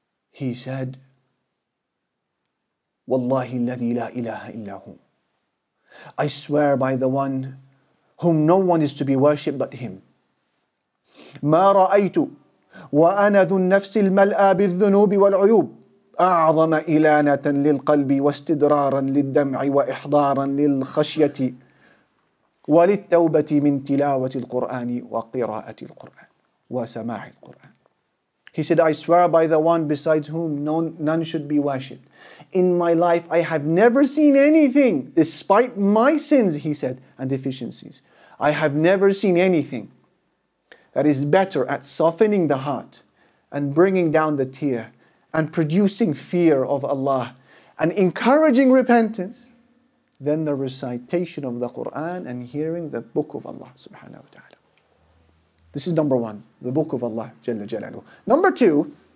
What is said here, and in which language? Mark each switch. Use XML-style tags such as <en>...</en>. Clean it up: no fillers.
<en>He said,</en> <ar>وَاللَّهِ الَّذِي لَا إِلَهَ إِلَّا هُمْ.</ar> <en>I swear by the one whom no one is to be worshipped but him.</en> <ar>مَا رَأَيْتُ وَأَنَا ذُو النَّفْسِ الْمَلْآ بِالذُّنُوبِ وَالْعُيُوبِ أعظم إلانة للقلب واستدرارا للدمع وإحضارا للخشية وللتوبة من تلاوة القرآن وقراءة القرآن وسماع القرآن.</ar> <en>He said, I swear by the one besides whom none should be worshipped. In my life, I have never seen anything, despite my sins, he said, and deficiencies. I have never seen anything that is better at softening the heart and bringing down the tear and producing fear of Allah and encouraging repentance than the recitation of the Quran and hearing the book of Allah subhanahu wa ta'ala. This is number one, the book of Allah Jalla Jalaluhu. Number two,</en>